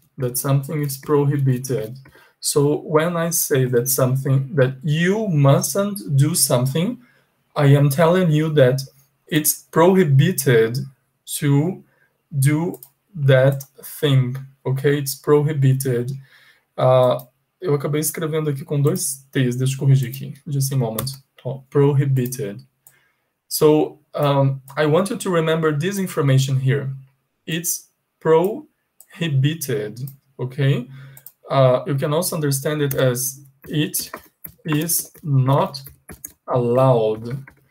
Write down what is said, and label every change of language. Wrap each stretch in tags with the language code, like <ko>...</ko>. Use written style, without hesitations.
<en>That something is prohibited. So when I say that something, that you mustn't do something, I am telling you that it's prohibited to do that thing. Okay, it's prohibited.</en> <pt>Eu acabei escrevendo aqui com dois T's, deixa eu corrigir aqui,</pt> <en>just a moment. Oh, prohibited. So, I want you to remember this information here. It's prohibited, okay? You can also understand it as it is not allowed.</en>